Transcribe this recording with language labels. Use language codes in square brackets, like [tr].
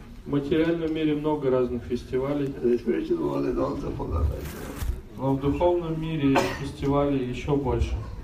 [ru] В материальном мире много разных фестивалей. [en] And the spiritual world is also full of festivals. [ru] Но в духовном мире фестивалей еще больше.